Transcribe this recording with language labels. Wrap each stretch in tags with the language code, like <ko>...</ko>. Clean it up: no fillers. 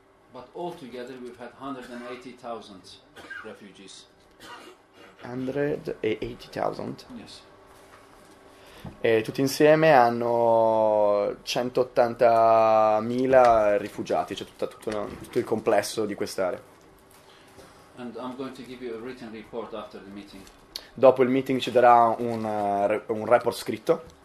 <en>But altogether we've had 180,000 refugees.</en> <it>180.000.</it> <en>Yes.</en> <it>E tutti insieme hanno 180.000 rifugiati, cioè tutto il complesso di quest'area.</it> <en>And I'm going to give you a written report after the meeting.</en> <it>Dopo il meeting ci darà un report scritto.</it>